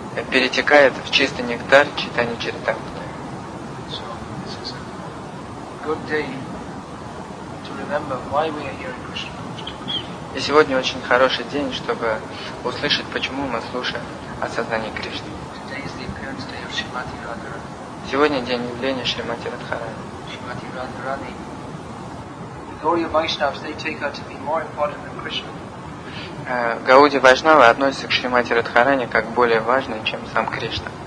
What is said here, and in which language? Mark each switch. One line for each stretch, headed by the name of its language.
Russian: Перетекает в чистый нектар Чайтанья Чаритамриты.
English: So this is a good day to remember why we are hearing Krishna consciousness.
Russian: И сегодня очень хороший день, чтобы услышать, почему мы слушаем о сознании Кришны.
English: Today is the appearance day of Shrimati Radharani.
Russian: Сегодня день явления Шримати Радхарани.
English: Shrimati Radharani. The Gaudiya Vaishnavas, they take her to be more important than Krishna.
Russian: Гауди Вайшнава относится к Шримати Радхарани как более важной, чем сам Кришна.